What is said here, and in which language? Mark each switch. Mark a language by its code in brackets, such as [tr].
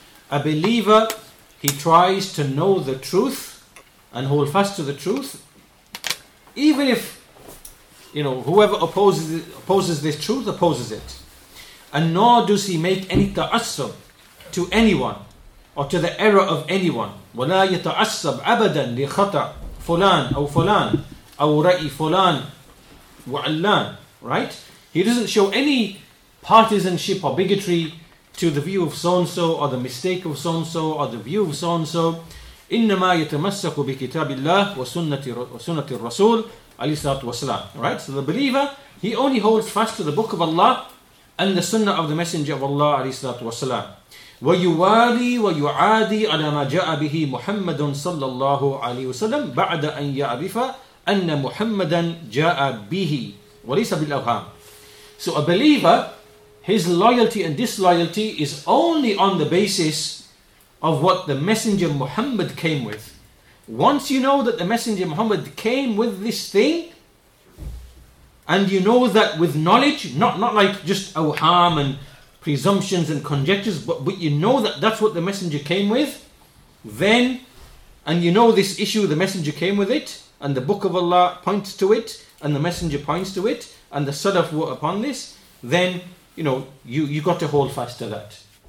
[en] A believer, he tries to know the truth and hold fast to the truth, even if, you know, whoever opposes this truth opposes it. And nor does he make any ta'assub to anyone or to the error of anyone. [ar] ولا يتعصب أبدا لخطأ فلان أو فلان أو رأي فلان. وعلان, right? [en] He doesn't show any partisanship or bigotry to the view of so-and-so or the mistake of so-and-so or the view of so-and-so. [ar] إنما يتمسك بكتاب الله وسنة الرسول عليه الصلاة والسلام. [en] Right? So the believer, he only holds fast to the book of Allah and the sunnah of the Messenger of Allah [ar] عليه الصلاة والسلام. ويوالي ويعادي على ما جاء به محمد صلى الله عليه وسلم بعد أن يعرف أن محمدا جاء به وليس بالأوهام. [en] So a believer, his loyalty and disloyalty is only on the basis of what the Messenger Muhammad came with. Once you know that the Messenger Muhammad came with this thing, and you know that with knowledge, not like just awham and presumptions and conjectures, but you know that that's what the Messenger came with, then, and you know this issue, the Messenger came with it, and the book of Allah points to it, and the Messenger points to it, and the Salaf were upon this, then, you know, you got to hold fast to that.